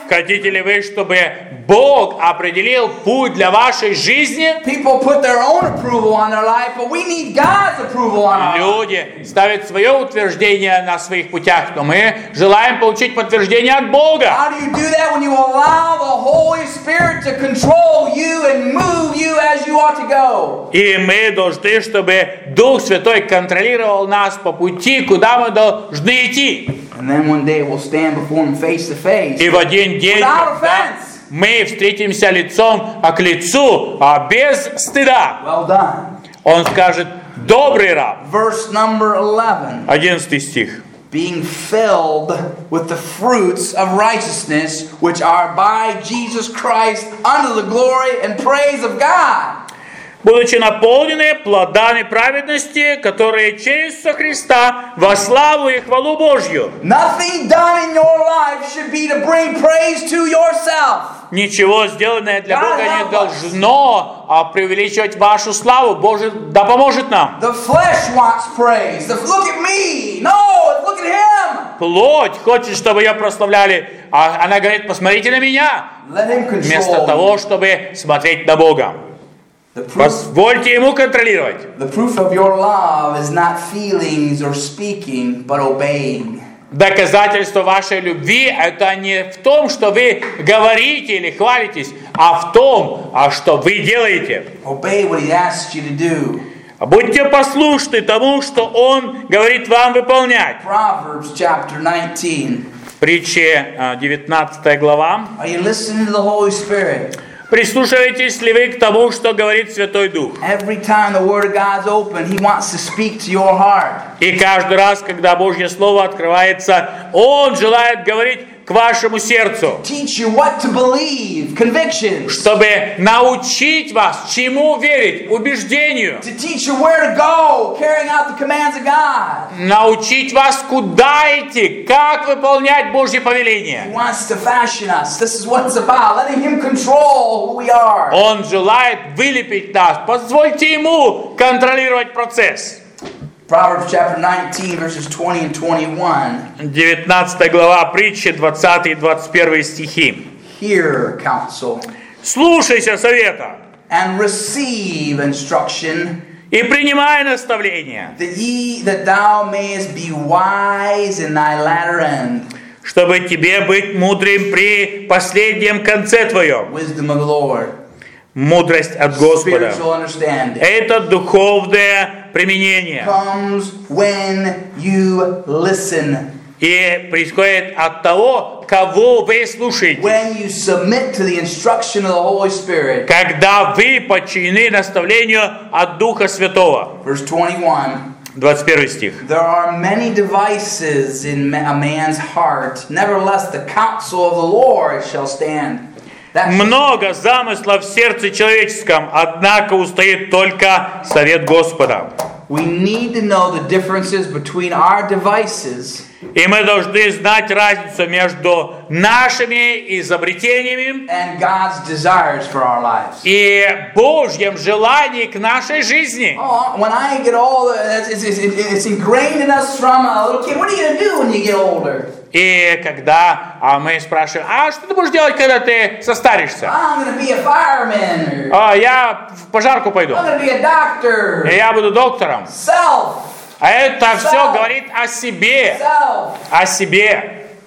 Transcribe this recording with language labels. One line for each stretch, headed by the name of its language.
Russian: Хотите ли вы, чтобы Бог определил путь для вашей жизни?
English: People put their own approval on their life, but we need God's approval on our life.
Russian: Люди ставят свое утверждение на своих путях, но мы желаем получить подтверждение от Бога.
English: How do you do that when you allow the Holy Spirit to control you and move you as you ought to go?
Russian: И мы должны, чтобы Дух Святой контролировал нас по пути, куда мы должны идти.
English: And then one day we'll stand before him face to face.
Russian: И в один день,
English: without offense.
Russian: Мы встретимся лицом к лицу, а без стыда.
English: Well done.
Russian: Он скажет, добрый раб.
English: Verse number 11.
Russian: 11 стих.
English: Being filled with the fruits of righteousness, which are by Jesus Christ, unto the glory and praise of God.
Russian: Будучи наполнены плодами праведности, которые через Иисуса Христа во славу и хвалу Божью.
English: Nothing done in your life should be to bring praise to yourself.
Russian: Ничего сделанное для Бога не должно преувеличивать вашу славу. Боже, да поможет нам.
English: The flesh wants praise. The, look at me. No, look at him.
Russian: Плоть хочет, чтобы ее прославляли. А она говорит, посмотрите на меня.
English: Let him control.
Russian: Вместо того, чтобы смотреть на Бога. Позвольте ему контролировать.
English: The proof of your love is not feelings or speaking, but obeying.
Russian: Доказательство вашей любви это не в том, что вы говорите или хвалитесь, а в том, что вы делаете.
English: Obey what he asks you to do.
Russian: Будьте послушны тому, что он говорит вам выполнять.
English: Proverbs chapter 19.
Russian: Притчи 19 глава.
English: Are you listening to the Holy Spirit?
Russian: Прислушиваетесь ли вы к тому, что говорит Святой Дух?
English: Every time the word of God's open, he wants to speak to your heart.
Russian: И каждый раз, когда Божье Слово открывается, Он желает говорить к вашему сердцу.
English: Teach you what to believe, convictions.
Russian: Чтобы научить вас, чему верить, убеждению.
English: To teach you where to go, carrying out the commands of God.
Russian: Научить вас, куда идти, как выполнять Божье повеление.
English: He wants to fashion us. This is what it's about. Letting him control who we are.
Russian: Он желает вылепить нас. Позвольте ему контролировать процесс.
English: Proverbs chapter 19, verses 20 and 21.
Russian: 19 глава притчи, 20 и 21 стихи.
English: Hear counsel.
Russian: Слушайся совета.
English: And receive instruction.
Russian: И принимай наставление.
English: That thou mayest be wise in thy latter end.
Russian: Чтобы тебе быть мудрым при последнем конце твоем.
English: Wisdom of the Lord.
Russian: Мудрость от Господа.
English: Spiritual understanding.
Russian: Это духовное применение.
English: Comes when you listen.
Russian: И происходит от того, кого вы слушаете.
English: When you submit to the instruction of the Holy Spirit.
Russian: Когда вы подчинены наставлению от Духа Святого.
English: Verse 21.
Russian: 21 стих.
English: There are many devices in a man's heart. Nevertheless, the counsel of the Lord shall stand.
Russian: Много замыслов в сердце человеческом, однако устоит только совет Господа.
English: We need to know the differences between our devices.
Russian: И мы должны знать разницу между нашими изобретениями
English: and God's desires for our lives.
Russian: И Божьим желанием к нашей жизни.
English: Oh, when I get old, it's ingrained in us from a little kid. What are you going to do when you get older?
Russian: И когда мы спрашиваем, а что ты будешь делать, когда ты состаришься?
English: I'm gonna be a fireman.
Russian: Я в пожарку пойду.
English: I'm gonna be a doctor.
Russian: И я буду доктором.
English: Self.
Russian: А это self. Все говорит о себе.
English: Self.
Russian: О себе.